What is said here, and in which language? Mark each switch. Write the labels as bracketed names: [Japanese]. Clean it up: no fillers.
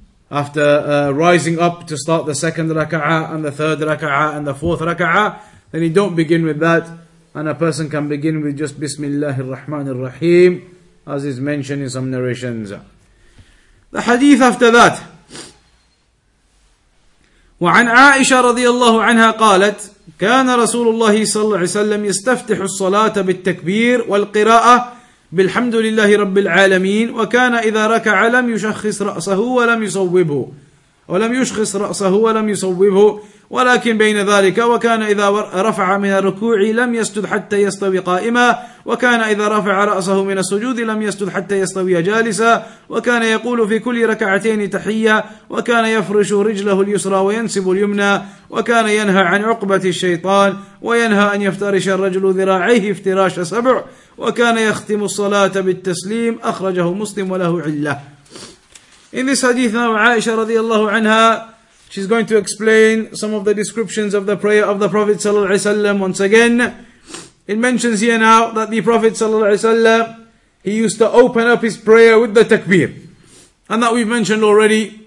[English] After rising up to start the second raka'ah and the third raka'ah and the fourth raka'ah, then you don't begin with that. And a person can begin with just Bismillah ar-Rahman ar-Rahim, as is mentioned in some narrations. The hadith after that. [Arabic] وعن عائشة رضي الله عنها قالت كان رسول الله صلى الله عليه وسلم يستفتح الصلاة بالتكبير والقراءة بالحمد لله رب العالمين وكان إذا ركع لم يشخص رأسه ولم يصوبه ولم يشخص رأسه ولم يصوبه ولكن بين ذلك وكان إذا رفع من الركوع لم يسجد حتى يستوي قائما وكان إذا رفع رأسه من السجود لم يسجد حتى يستوي جالسا وكان يقول في كل ركعتين تحية وكان يفرش رجله اليسرى وينسب اليمنى وكان ينهى عن عقبة الشيطان وينهى أن يفترش الرجل ذراعيه افتراش سبع وكان يختم الصلاة بالتسليم أخرجه مسلم وله علة. [English] In this hadith now, Aisha radiallahu anha, she's going to explain some of the descriptions of the prayer of the Prophet sallallahu alaihi wasallam. Once again, it mentions here now that the Prophet sallallahu alaihi wasallam, he used to open up his prayer with the takbir, and that we've mentioned already.